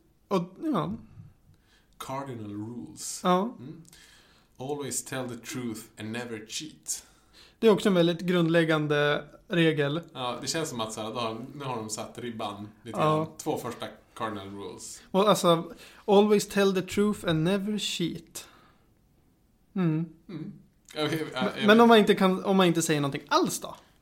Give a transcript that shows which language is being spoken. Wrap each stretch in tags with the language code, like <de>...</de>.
<sv>Och ja.</sv> <en>Cardinal rules.</en> <sv>Ja. Mm.</sv> <en>Always tell the truth and never cheat.</en> <sv>Det är också en väldigt grundläggande regel. Ja, det känns som att så här, nu har de satt ribban lite. Ja. Två första cardinal rules.</sv> <en>Well,</en> <sv>alltså,</sv> <en>always tell the truth and never cheat. Mm. Mm. Okay,</en> <sv>men om man inte säger någonting alls då?</sv>